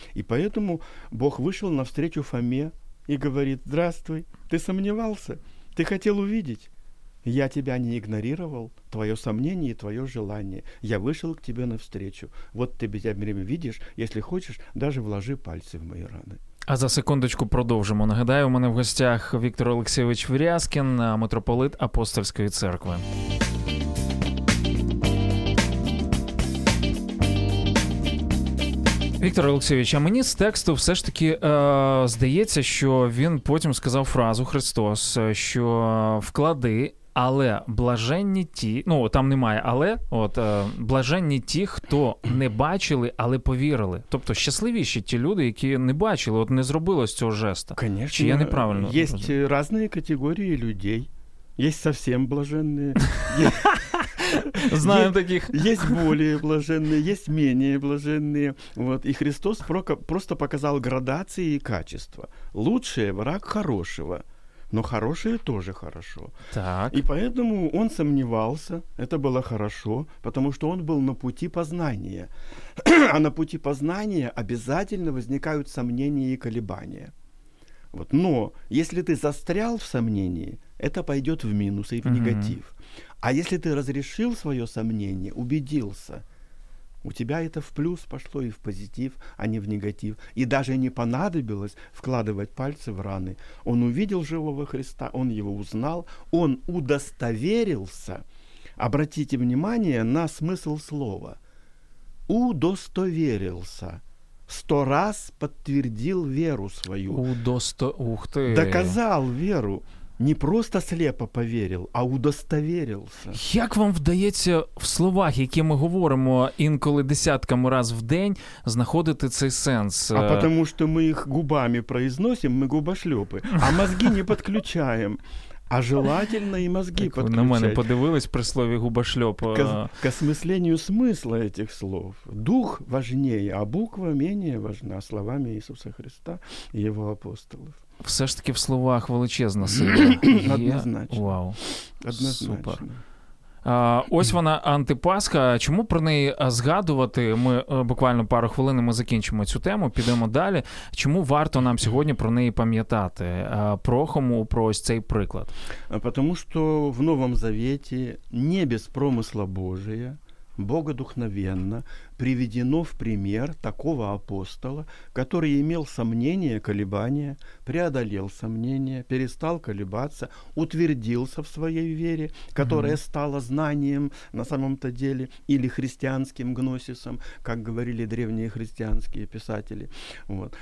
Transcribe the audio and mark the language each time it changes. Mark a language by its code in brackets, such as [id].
[ru] И поэтому Бог вышел навстречу Фоме и говорит, «Здравствуй, ты сомневался, ты хотел увидеть». Я тебя не игнорировал, твое сомнение и твое желание. Я вышел к тебе навстречу. Вот ты меня время видишь, если хочешь, даже вложи пальцы в мои раны. [uk] А за секундочку продовжимо. Нагадаю, у мене в гостях Віктор Олексійович Врязкін, митрополит Апостольської церкви. Віктор Олексійович, а мені з тексту все ж таки здається, що він потім сказав фразу Христос, що вклади, але блаженні ті, ну там немає, але от блаженні ті, хто не бачили, але повірили. Тобто щасливіші ті люди, які не бачили, от не зробили з цього жеста. [ru] Конечно, [uk] чи я неправильно? Є різні категорії людей. Є зовсім блаженні. [ru] Знаем таких. Есть более блаженные, есть менее блаженные. Вот. И Христос просто показал градации и качества. Лучшее — враг хорошего. Но хорошее тоже хорошо. Так. И поэтому он сомневался, это было хорошо, потому что он был на пути познания. А на пути познания обязательно возникают сомнения и колебания. Вот. Но если ты застрял в сомнении, это пойдет в минус и в негатив. А если ты разрешил свое сомнение, убедился, у тебя это в плюс пошло и в позитив, а не в негатив. И даже не понадобилось вкладывать пальцы в раны. Он увидел живого Христа, он его узнал, он удостоверился. Обратите внимание на смысл слова. Удостоверился. 100 раз подтвердил веру свою. Ух ты. Доказал веру. [uk] Не просто сліпо повірив, а удостоверився. Як вам вдається в словах, які ми говоримо інколи десятками раз в день, знаходити цей сенс? А тому що ми їх губами произносимо, ми губошльопи, а мозги не підключаємо. А желательно і мозги підключати. На мене подивились при слові губошльоп. К осмисленню смисла цих слов. Дух важніє, [ru] а буква менее важна [uk] словами Ісуса Христа і Його апостолів. Все ж таки в словах величезна сила. Однозначно. Вау. Однозначно. Супер. Ось вона, Антипасха. Чому про неї згадувати? Ми буквально пару хвилин, ми закінчимо цю тему, підемо далі. Чому варто нам сьогодні про неї пам'ятати? Прохому про ось цей приклад. Тому що в Новому Завіті не без промисла Божого, богодухновенно [ru] приведено в пример такого апостола, который имел сомнения, колебания, преодолел сомнения, перестал колебаться, утвердился в своей вере, которая стала знанием на самом-то деле, или христианским гносисом, как говорили древние христианские писатели. Вот.